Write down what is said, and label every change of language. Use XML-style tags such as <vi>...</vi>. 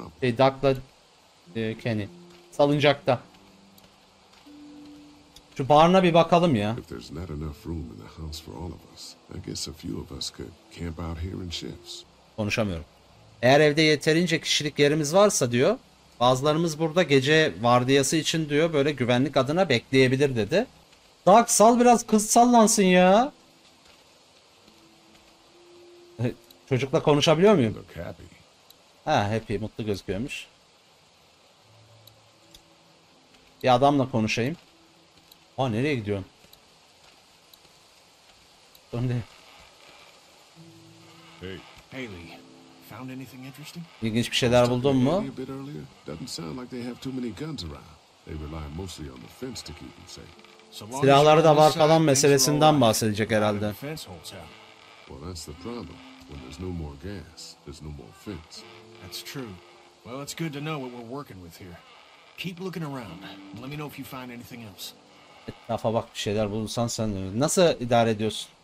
<tr>Şey, Doug'la Kenny salıncakta. Şu barına bir bakalım ya.</tr> <en>If there's not enough room in the house for all of us, I guess a few of us could camp out here in shifts.</en> <tr>Konuşamıyorum. Eğer evde yeterince kişilik yerimiz varsa diyor, bazılarımız burada gece vardiyası için diyor böyle güvenlik adına bekleyebilir dedi. Doug, sal biraz kız sallansın ya. Çocukla konuşabiliyor muyum? Ha, happy, mutlu gözüküyormuş. Bir adamla konuşayım. Aa, nereye gidiyorsun? Önde.</tr> <en>Hey. Hey Lee. Found anything interesting?</en> <tr>İlginç bir şeyler buldun mu?</tr> <en>Doesn't sound like they have too many guns around. They rely mostly on the fence to keep them safe.</en> <tr>Silahları da var falan meselesinden bahsedecek herhalde.</tr> <en>Well, that's the problem. When there's no more gas, there's no more fence. That's true. Well, it's good to know what we're working with here. Keep looking around. Let me know if you find anything else.</en> <tr>Etrafa bak, bir şeyler bulursan sen nasıl idare ediyorsun?</tr>